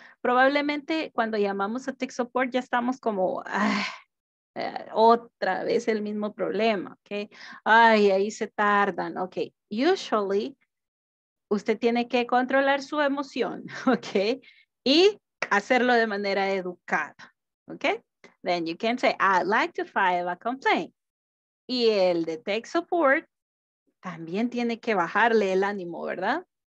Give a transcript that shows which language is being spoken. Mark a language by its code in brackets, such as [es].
[es] Probablemente cuando llamamos a Tech Support ya estamos como, otra vez el mismo problema, ¿ok? Ay, ahí se tardan, ¿ok? Usually, usted tiene que controlar su emoción, ¿ok? Y hacerlo de manera educada, ¿ok? [en] Then you can say, I'd like to file a complaint. [es] Y el de Tech Support también tiene que bajarle el ánimo, ¿verdad?